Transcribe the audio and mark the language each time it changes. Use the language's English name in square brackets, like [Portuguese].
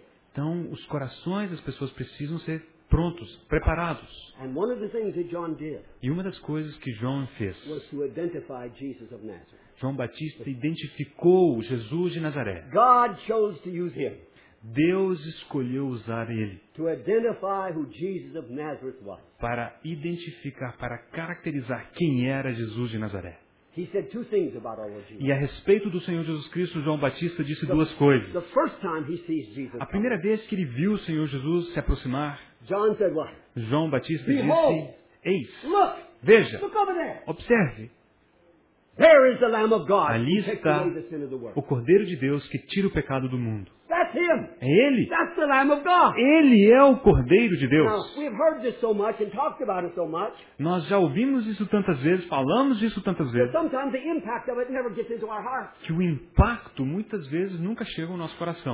[Portuguese] Então, os corações das pessoas precisam ser prontos, preparados. [English] And one of the things that John did, [Portuguese] e uma das coisas que João fez, [English] was to identify Jesus of Nazareth. [Portuguese] João Batista identificou Jesus de Nazaré. [English] God chose to use him. [Portuguese] Deus escolheu usar ele [English] to identify who Jesus of Nazareth was. [Portuguese] Para identificar, para caracterizar quem era Jesus de Nazaré. [English] He said two things about our Lord Jesus. [Portuguese] E a respeito do Senhor Jesus Cristo, João Batista disse duas coisas. [English] The first time he sees Jesus, [Portuguese] a primeira vez que ele viu o Senhor Jesus se aproximar, [English] John said what? [Portuguese] João Batista [English] Behold, [Portuguese] disse, eis, [English] look, [Portuguese] veja, [English] look over there. [Portuguese] Observe, [English] there is the Lamb of God, [Portuguese] ali está o Cordeiro de Deus que tira o pecado do mundo. [English] That's him. [Portuguese] É ele. [English] That's the Lamb of God. [Portuguese] Ele é o Cordeiro de Deus. [English] Now, we've heard this so much and talked about it so much. [Portuguese] Nós já ouvimos isso tantas vezes, falamos disso tantas vezes. [English] But sometimes the impact of it never gets into our heart. [Portuguese] Que o impacto muitas vezes nunca chega ao nosso coração.